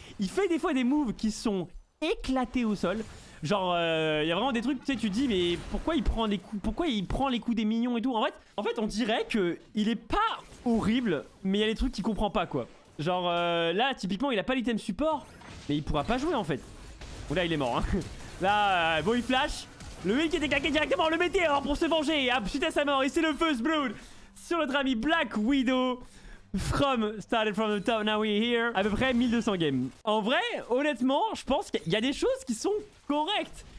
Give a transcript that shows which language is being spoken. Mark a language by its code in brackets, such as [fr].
[fr] Il fait des fois des moves qui sont éclatés au sol. Genre, il y a vraiment des trucs, tu sais, tu dis, mais pourquoi il prend les coups, pourquoi il prend les coups des minions et tout. En fait, on dirait qu'il est pas horrible, mais il y a des trucs qu'il comprend pas, quoi. Genre là typiquement il a pas l'item support, mais il pourra pas jouer en fait. Oula, il est mort hein. Là bon il flash. Le mec était claqué directement, le météore pour se venger. Et suite à sa mort, et c'est le First Blood sur notre ami Black Widow. [en] From started from the top, now we're here. [fr] À peu près 1200 games. En vrai, honnêtement, je pense qu'il y a des choses qui sont correctes.